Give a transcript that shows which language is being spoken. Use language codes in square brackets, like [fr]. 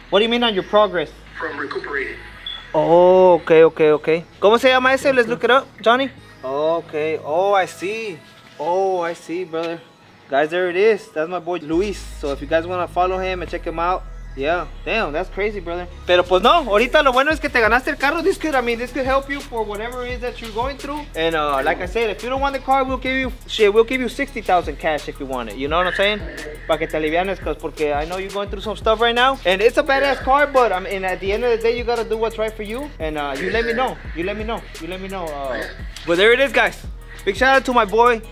[en] What do you mean on your progress? From recuperating. Oh, okay, okay, okay. [es] ¿Cómo se llama ese? [en] Let's look it up, Johnny. Okay, oh, I see, brother. Guys, there it is. That's my boy, Luis. So if you guys want to follow him and check him out, yeah. Damn, that's crazy, brother. [es] Pero pues no, ahorita lo bueno es que te ganaste el carro. [en] This could, I mean, this could help you for whatever it is that you're going through. And like I said, if you don't want the car, we'll give you, shit, we'll give you 60,000 cash if you want it. You know what I'm saying? [es] Para que te alivianes, [en] because I know you're going through some stuff right now. And it's a badass car, but I mean, at the end of the day, you got to do what's right for you. And you let me know. But there it is, guys. Big shout out to my boy.